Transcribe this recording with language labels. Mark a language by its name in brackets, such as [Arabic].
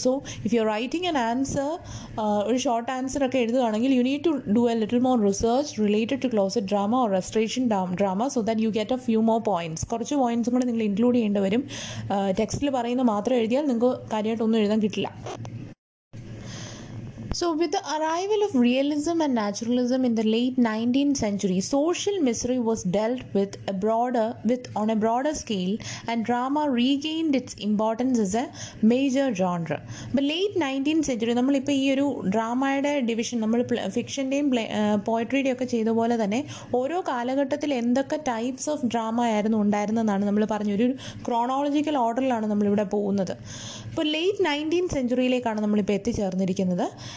[English] so if you are writing an answer, [Malayalam] ഒരു short ആൻസറൊക്കെ എഴുതുകയാണെങ്കിൽ, [English] You need to do a little more research related to closet drama or restoration drama so that you get a few more points. [Malayalam] കുറച്ച് points കൂടെ നിങ്ങൾ include ചെയ്യേണ്ടി വരും. ടെക്സ്റ്റിൽ പറയുന്നത് മാത്രം എഴുതിയാൽ നിങ്ങൾക്ക് കാര്യമായിട്ടൊന്നും എഴുതാൻ കിട്ടില്ല. [English] So with the arrival of realism and naturalism in the late 19th century, social misery was dealt with on a broader scale, and drama regained its importance as a major genre. [Malayalam] But late 19th century, നമ്മൾ ഇപ്പോൾ ഈ ഒരു ഡ്രാമയുടെ division നമ്മൾ ഫിക്ഷൻ്റെയും പോയട്രിയുടെയും ഒക്കെ ചെയ്തപോലെ തന്നെ ഓരോ കാലഘട്ടത്തിൽ എന്തൊക്കെ ടൈപ്സ് ഓഫ് ഡ്രാമ ആയിരുന്നു ഉണ്ടായിരുന്നതെന്നാണ് നമ്മൾ പറഞ്ഞു. ഒരു ക്രോണോളജിക്കൽ ഓർഡറിലാണ് നമ്മളിവിടെ പോകുന്നത്. ഇപ്പോൾ ലേറ്റ് 19th സെഞ്ചുറിയിലേക്കാണ് നമ്മളിപ്പോൾ എത്തിച്ചേർന്നിരിക്കുന്നത്.